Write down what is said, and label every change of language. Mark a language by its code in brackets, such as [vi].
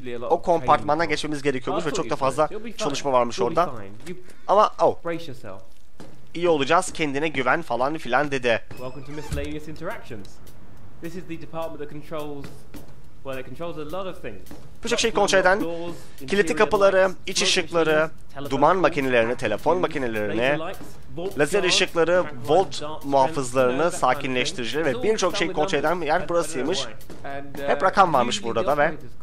[tr] O kompartmana geçmemiz gerekiyormuş ve çok da fazla çalışma varmış orada. Ama oh. [en] Brace yourself. [tr] İyi olacağız, kendine güven falan filan dedi. [en] Welcome to miscellaneous interactions. This is the department that controls... Well, it controls a lot of things. [tr] Birçok şey kontrol eden, kilitli kapıları, iç ışıkları, duman makinelerini, telefon makinelerini, lazer ışıkları, volt muhafızlarını, sakinleştiricileri ve birçok şey kontrol eden yer burasıymış. Hep rakam varmış burada da ve